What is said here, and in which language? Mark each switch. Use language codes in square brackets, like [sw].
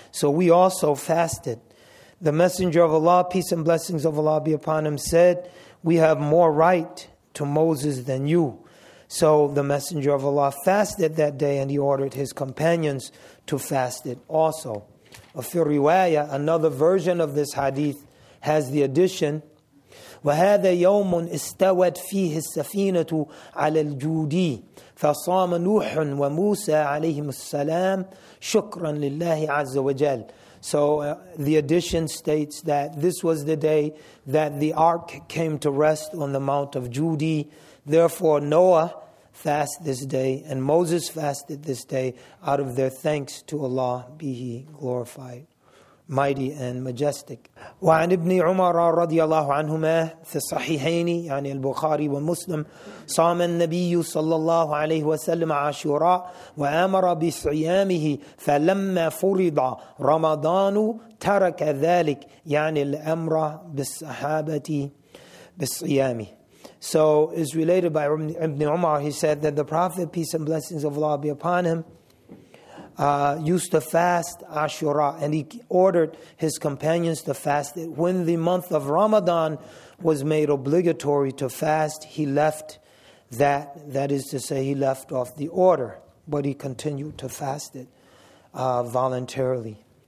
[en] So we also fasted. The Messenger of Allah, peace and blessings of Allah be upon him, said, we have more right to Moses than you. So the Messenger of Allah fasted that day, and he ordered his companions to fast it also. Fi riwayah, another version of this hadith, has the addition, [ar] وَهَذَا يَوْمٌ إِسْتَوَتْ فِيهِ السَّفِينَةُ عَلَى الْجُودِي فَصَامَ نُوحٌ وَمُوسَى عَلَيْهِمُ السَّلَامُ شُكْرًا لِلَّهِ عَزَّ وَجَلَّ. [en] So the addition states that this was the day that the ark came to rest on the Mount of Judi. Therefore, Noah fasted this day and Moses fasted this day out of their thanks to Allah, be he glorified, mighty and majestic. [ar] وعن ابن عمر رضي الله عنهما في الصحيحين يعني البخاري ومسلم صام النبي صلى الله عليه وسلم عاشوراء وأمر بصيامه فلما فرض رمضان ترك ذلك يعني الأمر بالصحابة بالصيام. [en] So is related by Ibn Umar, he said that the Prophet, peace and blessings of Allah be upon him, used to fast Ashura, and he ordered his companions to fast it. When the month of Ramadan was made obligatory to fast, he left that is to say, he left off the order, but he continued to fast it voluntarily.